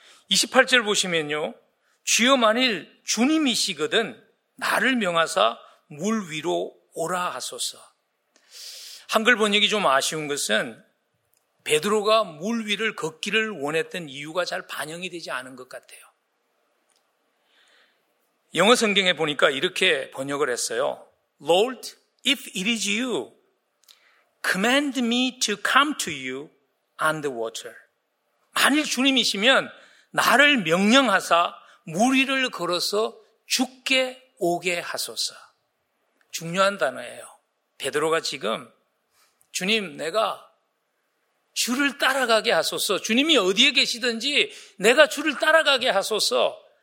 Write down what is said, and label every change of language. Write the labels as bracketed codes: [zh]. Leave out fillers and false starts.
[ko] 28절 보시면요, 주여 만일 주님이시거든 나를 명하사 물 위로 오라 하소서. 한글 번역이 좀 아쉬운 것은 베드로가 물 위를 걷기를 원했던 이유가 잘 반영이 되지 않은 것 같아요. 영어 성경에 보니까 이렇게 번역을 했어요. [en] Lord, if it is you, command me to come to you on the water. [ko] 만일 주님이시면 나를 명령하사 물 위를 걸어서 죽게 오게 하소서. 중요한 단어예요. 베드로가 지금 주님 내가 주를 따라가게 하소서. 주님이 어디에 계시든지 내가 주를 따라가게 하소서.